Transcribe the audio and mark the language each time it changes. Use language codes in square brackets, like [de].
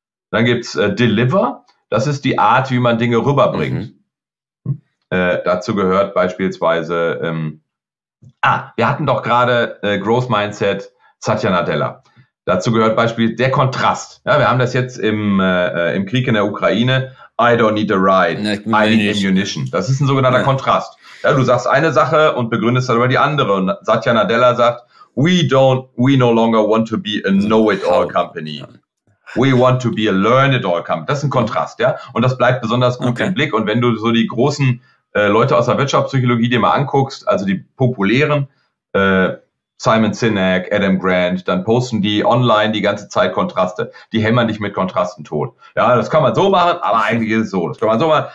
[de] Dann gibt's Deliver. Das ist die Art, wie man Dinge rüberbringt. Mhm. Dazu gehört beispielsweise, wir hatten doch gerade Growth Mindset, Satya Nadella. Dazu gehört beispielsweise der Kontrast. Ja, wir haben das jetzt im Krieg in der Ukraine. [en] I don't need a ride, I need ammunition. [de] Das ist ein sogenannter Kontrast. Ja, du sagst eine Sache und begründest darüber die andere. Und Satya Nadella sagt, [en] we no longer want to be a know-it-all company. We want to be a learn-it-all company. [de] Das ist ein Kontrast, ja. Und das bleibt besonders gut im Blick. Und wenn du so die großen Leute aus der Wirtschaftspsychologie dir mal anguckst, also die populären, Simon Sinek, Adam Grant, dann posten die online die ganze Zeit Kontraste. Die hämmern dich mit Kontrasten tot. Ja, das kann man so machen, aber eigentlich ist es so. Das kann man so machen.